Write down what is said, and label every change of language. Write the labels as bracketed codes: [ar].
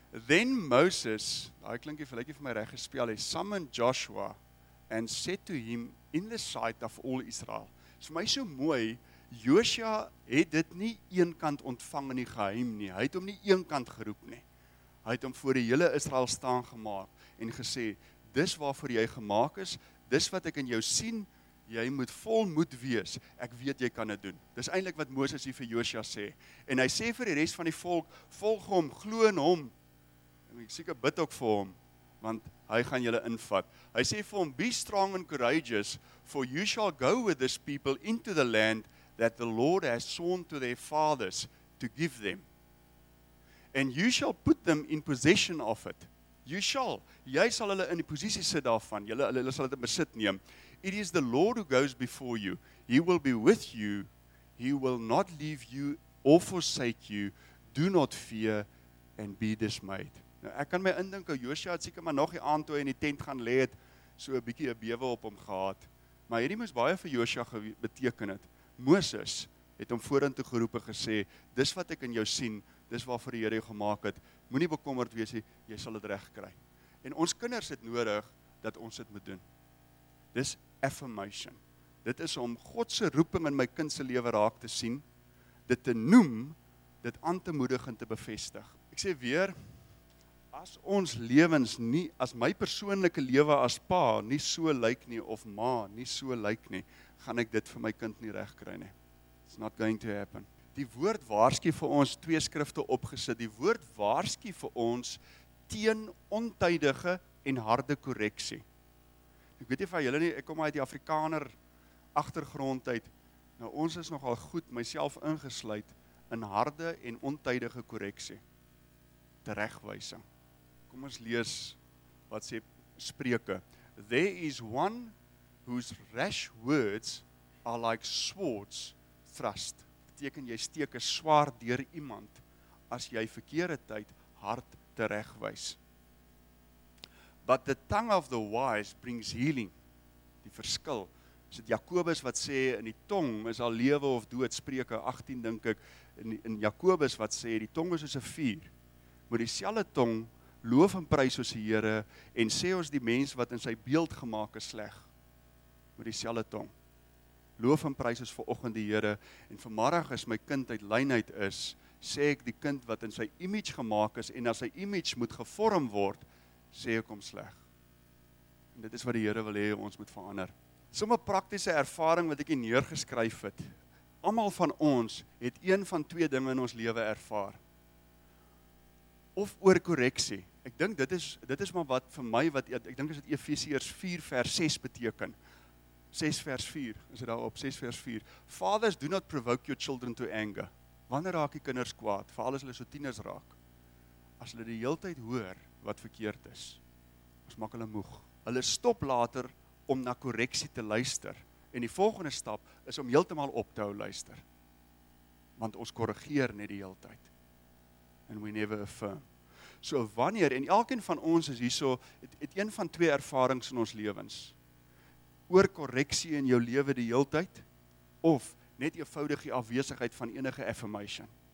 [en] Then Moses, [af] daai klinkie vir lykie vir my reg gespel, [en] he summoned Joshua and said to him in the sight of all Israel. [af] Dis vir my so mooi, Joshua het dit nie eenkant ontvang in die geheim nie. Hy het hom nie eenkant geroep nie. Hy het hom voor die hele Israel staan gemaak en gesê, dis waarvoor jy gemaak is, dis wat ek in jou sien, jy moet vol moed wees, ek weet jy kan dit doen. Dis eintlik wat Moses hier vir Joshua sê. En hy sê vir die res van die volk, volg hom, glo in hom, en ek seker bid ook vir hom, want hy gaan julle invat. Hy sê vir hom, [en] be strong and courageous, for you shall go with this people into the land that the Lord has sworn to their fathers to give them. And you shall put them in possession of it. You shall. [af] Jy sal hulle in die posisie sit daarvan. Hulle sal dit in besit neem. [en] It is the Lord who goes before you. He will be with you. He will not leave you or forsake you. Do not fear and be dismayed. [af] Nou, ek kan my indink, Joshua het seker maar nog die aand toe in die tent gaan lê het, so 'n bietjie 'n bewe op hom gehad. Maar hierdie moes baie vir Joshua beteken het. Moses het hom vorentoe geroep en gesê, dis wat ek in jou sien, dis waarvoor die Here jou gemaak het. Moenie bekommerd wees nie, jy sal dit reg kry. En ons kinders het nodig dat ons dit moet doen. Dis affirmation. Dit is om God se roeping in my kind se lewe raak te sien, dit te noem, dit aan te moedig en te bevestig. Ek sê weer, as ons lewens nie, as my persoonlike lewe as pa nie so lyk nie of ma nie so lyk nie, gaan ek dit vir my kind nie reg kry nie. [en] It's not going to happen. [af] Die woord waarsku vir ons, twee skrifte opgesit, die woord waarsku vir ons teen ontydige en harde korreksie. Ek weet nie van julle nie, ek kom uit die Afrikaner agtergrond uit. Nou ons is nogal goed, myself ingesluit, in harde en ontydige korreksie. Teregwysing. Kom ons lees wat sê Spreuke. [en] There is one whose rash words are like swords thrust. [af] Beteken jy steek 'n swaard deur iemand as jy verkeerde tyd hard teregwys. [en] But the tongue of the wise brings healing. [af] Die verskil. Is dit Jakobus wat sê in die tong is al lewe of dood, Spreuke 18 dink ek. In Jakobus wat sê die tong is soos 'n vuur. Moet dieselfde tong loof en prys soos die Here en sê ons die mens wat in sy beeld gemaak is sleg. Moet dieselfde tong loof en prys is vanoggend die Here en vanmiddag as my kind uit lynheid is, sê ek die kind wat in sy image gemaak is en na sy image moet gevorm word, sê ek hom sleg. En dit is wat die Here wil hê ons moet verander. Somme praktiese ervaring wat ek hier neergeskryf het. Almal van ons het een van twee dinge in ons lewe ervaar. Of oor korreksie. Ek dink dit is maar wat vir my wat ek dink is dit Efesiërs 4 vers 6 beteken. 6 vers 4, is dit daarop, 6 vers 4. [en] Fathers, do not provoke your children to anger. [af] Wanneer raak die kinders kwaad? Veral as hulle so tieners raak. As hulle die hele tyd hoor wat verkeerd is, ons maak hulle moeg. Hulle stop later om na korreksie te luister. En die volgende stap is om heeltemal op te hou luister. Want ons korrigeer net die hele tyd. [en] And we never affirm. [af] So wanneer, en elkeen van ons is hierso, het een van twee ervarings in ons lewens. Oor korreksie in jou lewe die hele tyd, of net eenvoudig die afwesigheid van enige affirmation.